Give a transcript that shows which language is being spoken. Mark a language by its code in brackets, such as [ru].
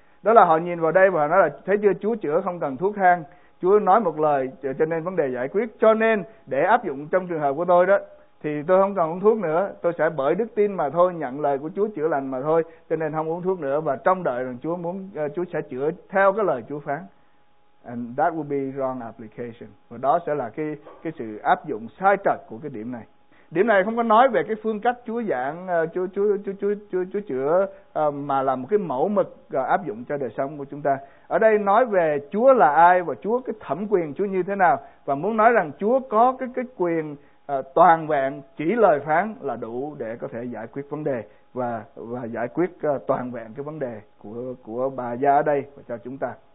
[vi] Đó là họ nhìn vào đây và họ nói là thấy chưa, Chúa chữa không cần thuốc thang. Chúa nói một lời cho nên vấn đề giải quyết. Cho nên để áp dụng trong trường hợp của tôi đó, thì tôi không cần uống thuốc nữa, tôi sẽ bởi đức tin mà thôi, nhận lời của Chúa chữa lành mà thôi, cho nên không uống thuốc nữa và trông đợi rằng Chúa muốn Chúa sẽ chữa theo cái lời Chúa phán. [en] And that would be wrong application. [vi] Và đó sẽ là cái sự áp dụng sai trật của cái điểm này. Điểm này không có nói về cái phương cách Chúa giảng Chúa chữa mà là một cái mẫu mực áp dụng cho đời sống của chúng ta. Ở đây nói về Chúa là ai và Chúa cái thẩm quyền Chúa như thế nào, và muốn nói rằng Chúa có cái quyền toàn vẹn, chỉ lời phán là đủ để có thể giải quyết vấn đề và giải quyết toàn vẹn cái vấn đề của bà gia ở đây và cho chúng ta.